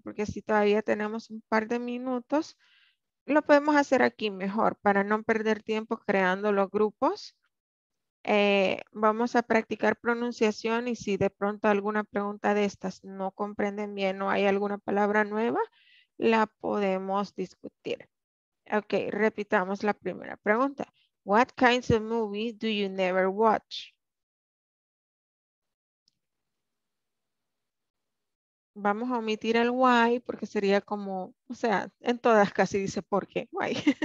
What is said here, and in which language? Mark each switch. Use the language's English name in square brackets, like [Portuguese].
[Spanish] Porque si todavía tenemos un par de minutos, lo podemos hacer aquí mejor para no perder tiempo creando los grupos. Vamos a practicar pronunciación y si de pronto alguna pregunta de estas no comprenden bien o hay alguna palabra nueva, la podemos discutir. Ok, repitamos la primera pregunta. [English] What kinds of movies do you never watch? [Spanish] Vamos a omitir el why porque sería como, o sea, en todas casi dice por qué, why.